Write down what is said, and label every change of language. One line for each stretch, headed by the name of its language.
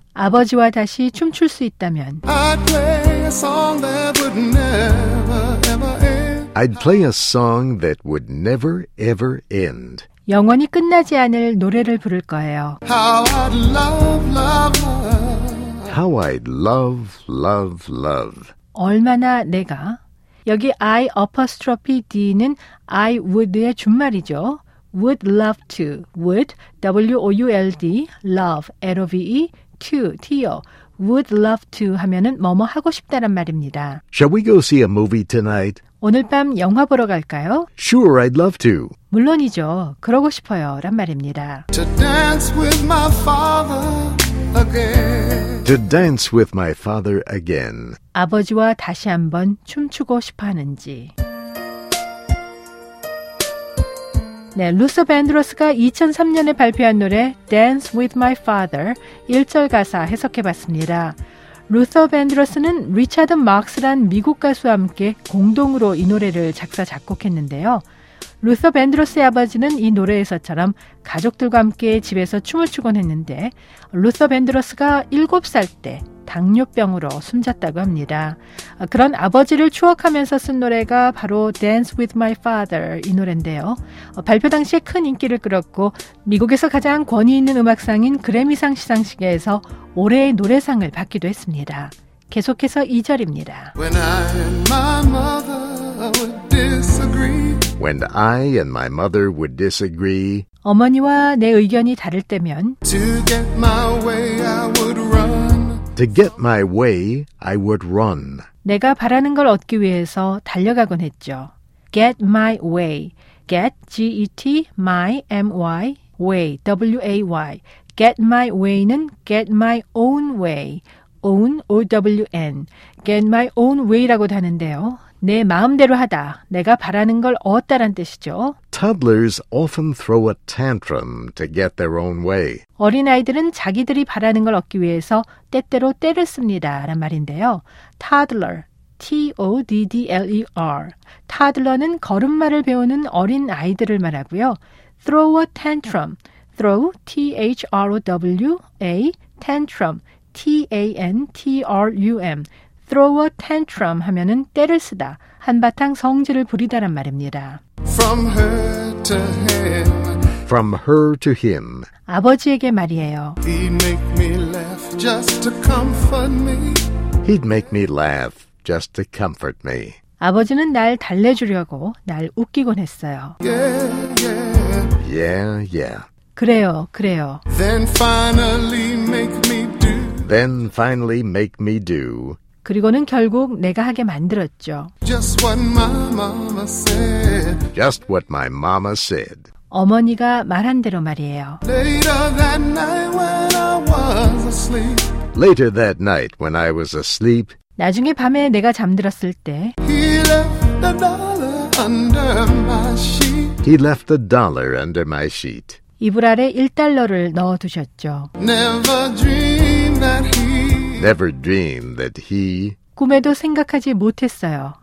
Korean: 아버지와 다시 춤출 수 있다면
English: I'd play a song that would never ever end. I'd play a song that would never ever end.
Korean: 영원히 끝나지 않을 노래를 부를 거예요.
English: How I'd love, love, love. How I'd love, love, love.
Korean: 얼마나 내가 여기
English: I apostrophe D
Korean: 는
English: I would
Korean: 의 준말이죠.
English: Would love to. Would, W-O-U-L-D, love, L-O-V-E, to, T-O. Would love to
Korean: 하면은 뭐뭐 하고 싶다란 말입니다.
English: Shall we go see a movie tonight?
Korean: 오늘 밤 영화 보러 갈까요?
English: Sure, I'd love to.
Korean: 물론이죠. 그러고 싶어요. 란 말입니다.
English: To dance with my father again. To dance with my father again.
Korean: 아버지와 다시 한번 춤추고 싶어 하는지. 네, 루소 밴드로스가 2003년에 발표한 노래 Dance with my father 1절 가사 해석해봤습니다. 루소 밴드로스는 리차드 마크스란 미국 가수와 함께 공동으로 이 노래를 작사 작곡했는데요. 루소 밴드로스의 아버지는 이 노래에서처럼 가족들과 함께 집에서 춤을 추곤 했는데 루소 밴드로스가 7살 때 당뇨병으로 숨졌다고 합니다. 그런 아버지를 추억하면서 쓴 노래가 바로 Dance with my father 이 노래인데요. 발표 당시에 큰 인기를 끌었고 미국에서 가장 권위 있는 음악상인 그래미상 시상식에서 올해의 노래상을 받기도 했습니다. 계속해서 2절입니다.
English: When I and my mother would disagree. When I and my mother would disagree.
Korean: 어머니와 내 의견이 다를 때면
English: To get my way I would run. To get my way I would run.
Korean: 내가 바라는 걸 얻기 위해서 달려가곤 했죠.
English: Get my way. Get, G-E-T, my, M-Y, way, W-A-Y. Get my way는 get my own way. Own, O-W-N. Get my own way라고도 하는데요.
Korean: 내 마음대로 하다, 내가 바라는 걸 얻다란 뜻이죠.
English: Toddlers often throw a tantrum to get their own way.
Korean: 어린아이들은 자기들이 바라는 걸 얻기 위해서 때때로 때를 씁니다. 라는 말인데요.
English: Toddler, T-O-D-D-L-E-R.
Korean: Toddler는 걸음마를 배우는 어린아이들을 말하고요.
English: Throw a tantrum, throw, T-H-R-O-W, A, tantrum, T-A-N-T-R-U-M. Throw a tantrum
Korean: 하면은 때를 쓰다, 한바탕 성질을 부리다란 말입니다.
English: From her to him. From her to him.
Korean: 아버지에게 말이에요.
English: He'd make me laugh just to comfort me. He'd make me laugh just to comfort me.
Korean: 아버지는 날 달래주려고 날 웃기곤 했어요.
English: Yeah, yeah. Yeah, yeah.
Korean: 그래요, 그래요.
English: Then finally make me do. Then finally make me do.
Korean: 그리고는 결국 내가 하게 만들었죠.
English: Just what my mama said. Just what my mama said.
Korean: 어머니가 말한 대로 말이에요.
English: Later that night when I was asleep. Later that night when I was asleep.
Korean: 나중에 밤에 내가 잠들었을 때
English: He left a dollar under my sheet. He left a dollar under my sheet.
Korean: 이불 아래 1달러를 넣어 두셨죠.
English: Never dream that he Never dreamed that he
Korean: 꿈에도 생각하지 못했어요.